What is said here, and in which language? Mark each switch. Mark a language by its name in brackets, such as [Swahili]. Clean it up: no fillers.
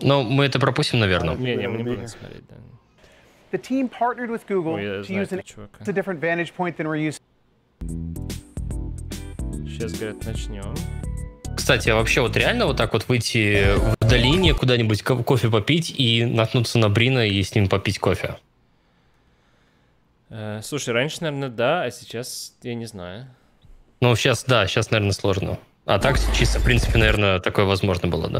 [Russian] Но мы это пропустим, наверное. Не, мы не будем смотреть, да. [English] The team partnered with Google to use a different vantage point than we're using. [Russian] Сейчас, говорят, начнем. Кстати, а вообще вот реально вот так вот выйти в долине куда-нибудь кофе попить и наткнуться на Брина и с ним попить кофе? Слушай, раньше, наверное, да, а сейчас я не знаю. Ну, сейчас, да, сейчас, наверное, сложно. А так, чисто, в принципе, наверное, такое возможно было, да?